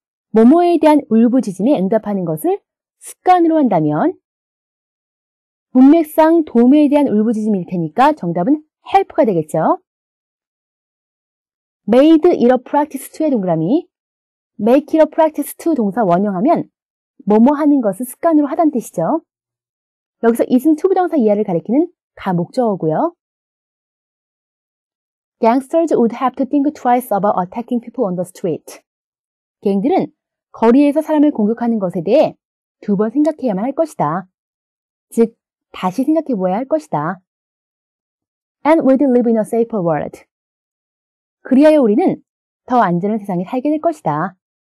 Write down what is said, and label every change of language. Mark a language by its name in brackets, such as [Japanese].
[Korean] 뭐뭐에 대한 울부짖음에 응답하는 것을 습관으로 한다면 문맥상 도움에 대한 울부짖음일 테니까 정답은 help가 되겠죠. [English] made it a practice to [Korean] 의 동그라미 [English] make it a practice to [Korean] 동사 원형하면 뭐뭐 하는 것을 습관으로 하다는 뜻이죠. 여기서 it은 to 부정사 이하를 가리키는 가 목적어고요. [English] Gangsters would have to think twice about attacking people on the street. [Korean] 갱들은 거리에서 사람을 공격하는 것에 대해 두 번 생각해야만 할 것이다. 즉, 다시 생각해 보아야 할 것이다. [English] And we'd live in a safer world. [Korean] 그리하여 우리는 더 안전한 세상에 살게 될 것이다.